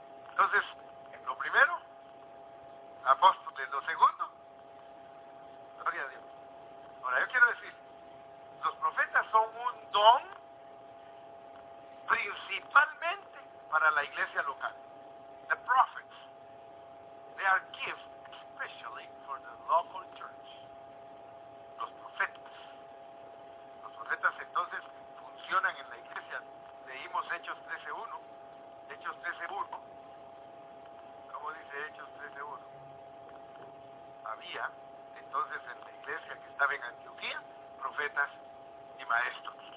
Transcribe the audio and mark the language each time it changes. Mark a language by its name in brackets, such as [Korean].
[Spanish] Entonces, lo primero, apóstoles. Lo segundo, gloria a Dios. Ahora, yo quiero decir, los profetas son un don principalmente para la iglesia local. [English] The prophets, they are gifts especially for the local church. [Spanish] Los profetas. Los profetas entonces funcionan en la iglesia. Leímos Hechos 13:1. Hechos 13:1. ¿Cómo dice Hechos 13:1? Había entonces en la iglesia que estaba en Antioquía profetas y maestros.